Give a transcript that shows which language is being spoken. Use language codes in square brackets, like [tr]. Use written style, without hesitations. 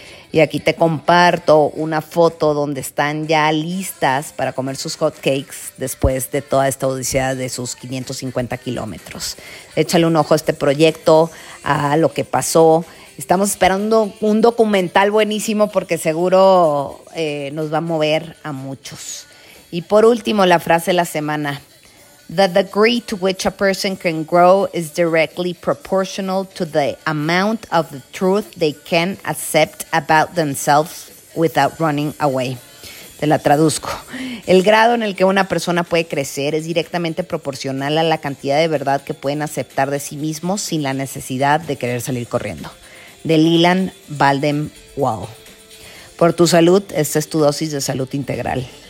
[es] Y aquí te comparto una foto donde están ya listas para comer sus hotcakes después de toda esta odisea de sus 550 kilómetros. Échale un ojo a este proyecto, a lo que pasó. Estamos esperando un documental buenísimo porque seguro nos va a mover a muchos. Y por último, la frase de la semana: [en] the degree to which a person can grow is directly proportional to the amount of the truth they can accept about themselves without running away. [es] Te la traduzco. El grado en el que una persona puede crecer es directamente proporcional a la cantidad de verdad que pueden aceptar de sí mismos sin la necesidad de querer salir corriendo. De Leland Baldwin. Por tu salud, esta es tu dosis de salud integral.